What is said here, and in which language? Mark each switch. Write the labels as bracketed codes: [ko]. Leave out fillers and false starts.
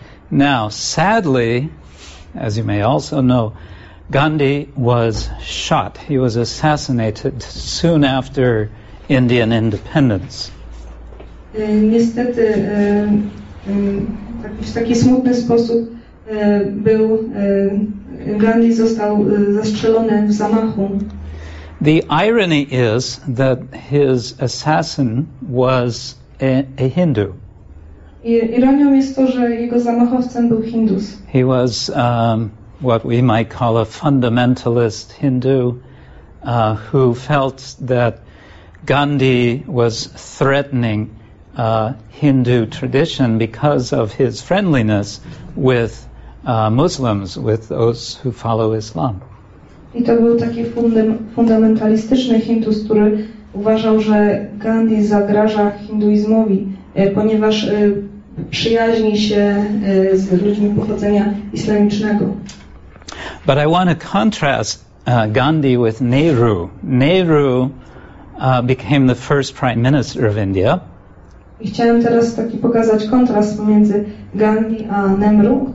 [en] Now, sadly, as you may also know, Gandhi was shot. He was assassinated soon after Indian independence. [pl] Niestety, w taki smutny sposób był Gandhi został zastrzelony w zamachu. [en] The irony is that his assassin was a Hindu. [pl] Ironią jest to, że jego zamachowcem był Hindus. [en] He was what we might call a fundamentalist Hindu who felt that Gandhi was threatening Hindu tradition because of his friendliness with Muslims, with those who follow Islam. [pl] I to był taki fundamentalistyczny Hindus, który uważał, że Gandhi zagraża hinduizmowi, ponieważ przyjaźni się z ludźmi pochodzenia islamicznego. [en] But I want to contrast Gandhi with Nehru. Nehru became the first prime minister of India. [pl] I chciałem teraz taki pokazać kontrast pomiędzy Gandhi a Nehru.